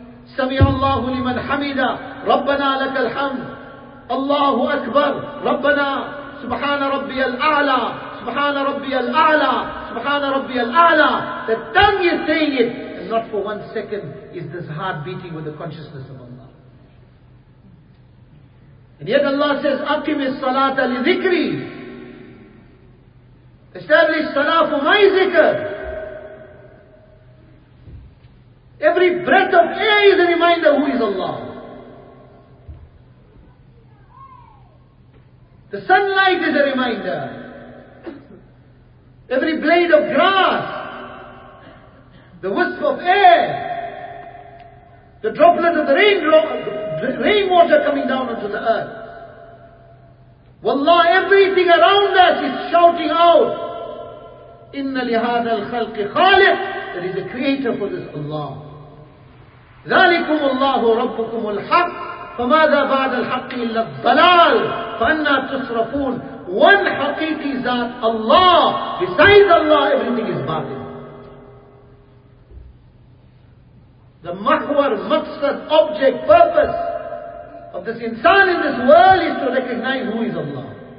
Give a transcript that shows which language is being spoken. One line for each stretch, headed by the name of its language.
Arabic: سمع الله لمن حمده ربنا لك الحمد الله أكبر ربنا سبحان ربي الأعلى سبحان ربي الأعلى سبحان ربي الأعلى.
English: The tongue is saying it, and not for one second is this heart beating with the consciousness of Allah. And yet Allah says,
Arabic: أقم الصلاة لذكري.
English: Establish salah for my zikr. Every breath of air is a reminder who is Allah. The sunlight is a reminder. Every blade of grass, the wisp of air, the droplet of the rainwater coming down onto the earth. Wallah, everything around us is shouting out,
Arabic: إِنَّ لِهَذَا الْخَلْقِ خَالِقِ.
English: There is a creator for this, Allah.
Arabic: ذلكم الله ربكم الحق فماذا بعد الحق إلا الضلال فأنا تصرفون
English: one haqiqi zat, Allah. Besides Allah, everything is batil. The mahwar, maqsad, object, purpose of this insan in this world is to recognize who is Allah.